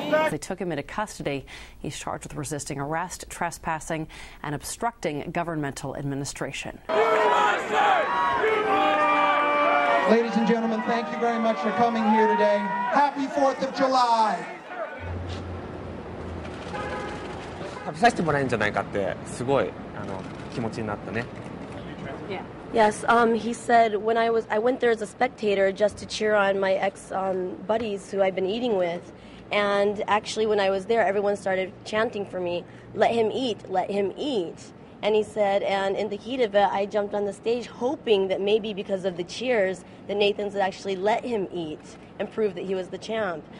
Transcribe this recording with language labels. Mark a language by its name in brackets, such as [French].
[English] They took him into custody. He's charged with resisting arrest, trespassing, and obstructing governmental administration. Ladies and gentlemen, thank you very much for coming here today. Happy 4th of July! [Japanese] 食べさせてもらえるんじゃないかってすごい気持ちになったね。 [English] Yes, he said when I went there as a spectator just to cheer on my ex buddies who I've been eating with. And actually when I was there, everyone started chanting for me, let him eat, let him eat. And he said, and in the heat of it, I jumped on the stage hoping that maybe because of the cheers, that Nathan's had actually let him eat and prove that he was the champ.